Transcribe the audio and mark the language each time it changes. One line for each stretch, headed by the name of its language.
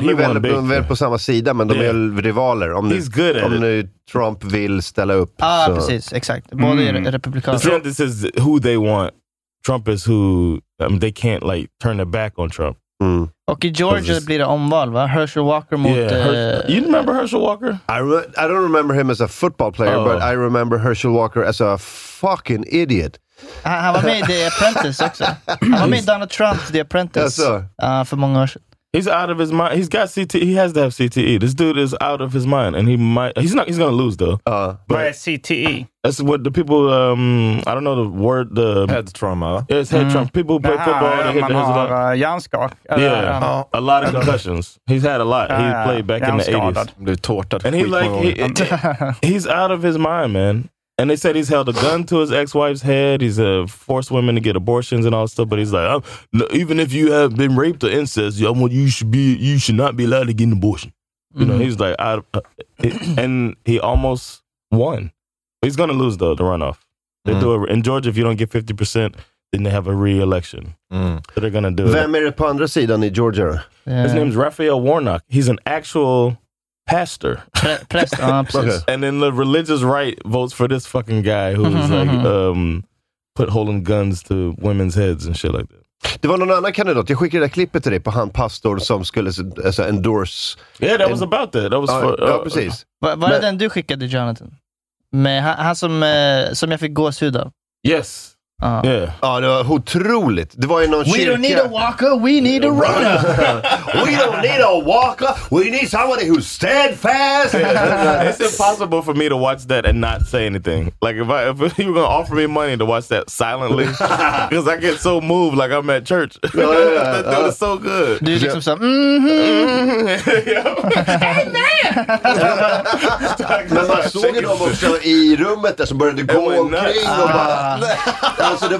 Swedish: de är väl, väl på samma sida, men de är rivaler. Om
English: he's good at
Swedish: om
English: it.
Swedish: Nu Trump vill ställa upp. Ah, så. Precis. Exakt. Både republikaner.
English: DeSantis is who they want. Trump is who, they can't like turn their back on Trump. Mm. Och i Georgia blir det omval, va? Herschel Walker mot... Yeah, you remember Herschel Walker? I don't remember him as a football player, but I remember Herschel Walker as a fucking idiot.
Swedish: Han var med i The Apprentice också. Han var med Donald Trump The Apprentice för många år sedan.
English: He's out of his mind. He's got CTE. He has to have CTE. This dude is out of his mind, and he might. He's not. He's gonna lose though. But CTE. That's what the people. I don't know the word. The head trauma. It's head trauma. People play football. And they hit their head. Hjärnskak. Yeah, a lot of concussions. He's had a lot. He played back in the '80s.
Swedish: Blev tortad.
English: And he like he's out of his mind, man. And they said he's held a gun to his ex-wife's head. He's forced women to get abortions and all stuff. But he's like, even if you have been raped or incest, you should not be allowed to get an abortion. Mm-hmm. You know, he's like, and he almost won. He's going to lose, though, the runoff. They do in Georgia, if you don't get 50%, then they have a re-election. Mm. So they're going to do
Swedish: Vem är det på andra sidan i Georgia?
English: His name's Raphael Warnock. He's an actual... pastor. And then the religious right votes for this fucking guy who's holding guns to women's heads and shit like that.
Swedish: Det var någon annan kandidat. Jag skickade det klippet till dig på han pastor som skulle endorse.
English: Yeah, that was about that. That was
Swedish: precis. Var det den du skickade, Jonathan? Med han som jag fick gåshud av.
English: Yes.
Swedish: Ja, det var otroligt. Det var ju någon
English: kyrka. We don't need a walker, we need a runner. We don't need a walker, we need somebody who's steadfast. It's impossible for me to watch that and not say anything. Like if you were going to offer me money to watch that silently, because I get so moved like I'm at church. That was so good.
Swedish: Du liksom så, Men man såg dem också i rummet där som började gå omkring och bara...